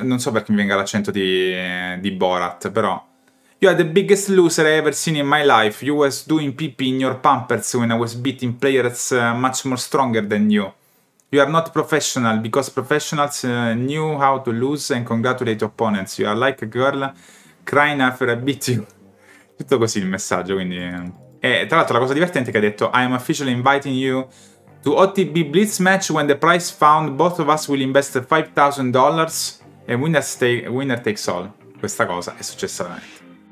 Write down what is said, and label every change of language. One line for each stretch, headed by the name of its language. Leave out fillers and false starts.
Italian: Non so perché mi venga l'accento di Borat, però...
English: You are the biggest loser I ever seen in my life. You was doing PP in your pampers when I was beating players much more stronger than you. You are not professional, because professionals knew how to lose and congratulate opponents. You are like a girl crying after I beat you.
Italian: Tutto così il messaggio, quindi... E tra l'altro la cosa divertente è che ha detto:
English: I am officially inviting you to OTB Blitz match when the prize found both of us will invest $5,000 and winner takes all.
Italian: Questa cosa è successa veramente.